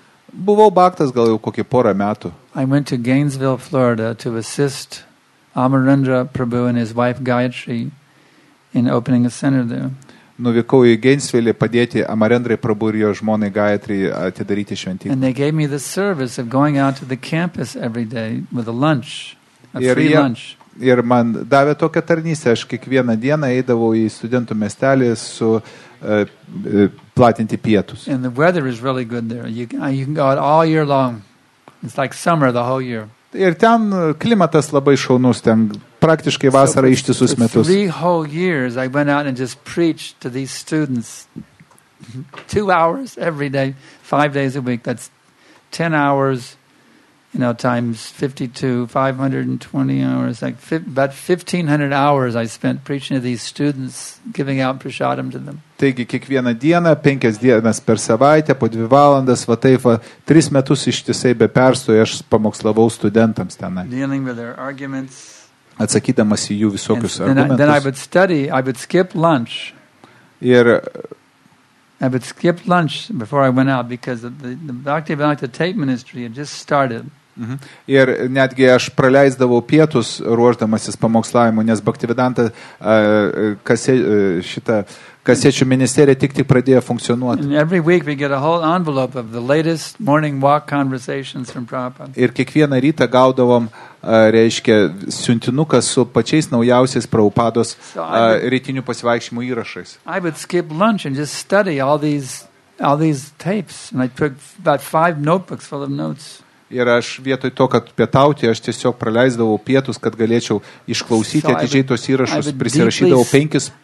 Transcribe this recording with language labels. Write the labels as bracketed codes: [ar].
[lt] Buvau baktas gal jau kokie porą metų. [en] I went to Gainesville, Florida to assist Amarendra Prabhu and his wife Gayatri in opening a center there. [lt] Nuvykau į Gainesville padėti Amarendrai Prabhu ir jo žmonai Gayatri atidaryti šventyklą. [en] And they gave me the service of going out to the campus every day with a lunch, a free lunch. [lt] Ir man davė tokią tarnystę, aš kiekvieną dieną eidavau į studentų miestelį su platinti pietus. [en] And the weather is really good there. You can go out all year long. It's like summer the whole year. [lt] Ir ten klimatas labai šaunus, ten praktiškai vasarą ištisus metus. [en] Three whole years I went out and just preached to these students. 2 hours every day, 5 days a week. That's 10 hours, you know, times 52, 520 hours, like about 1500 hours I spent preaching to these students, giving out prasadam to them. [lt] Taigi kiekvieną dieną, 5 dienas per savaitę, po 2 valandas, va taip, 3 metus ištisai be perstojo aš pamokslavau studentams tenai. [en] Dealing with their arguments. [lt] Atsakydamas į jų visokius argumentus. [en] And then I would study, I would skip lunch. [lt] Ir [en] I would skip lunch before I went out because the Bhaktivedanta tape ministry had just started. Mm-hmm. [lt] Ir netgi aš praleisdavau pietus ruošdamasis pamokslavimu, nes Bhaktivedanta kasečių ministerija tik pradėjo funkcionuoti. [en] And every week we get a whole envelope of the latest morning walk conversations from Prabhupada. [lt] Ir kiekvieną rytą gaudavom, reiškia, siuntinuką su pačiais naujausiais Prabhupados rytinių pasivaikščiojimų įrašais. [en] I would skip lunch and just study all these tapes and I took about 5 notebooks full of notes. [lt] Ir aš vietoj to, kad pietauti, aš tiesiog praleisdavau pietus, kad galėčiau išklausyti atidžiai tos įrašus, prisirašydavau 5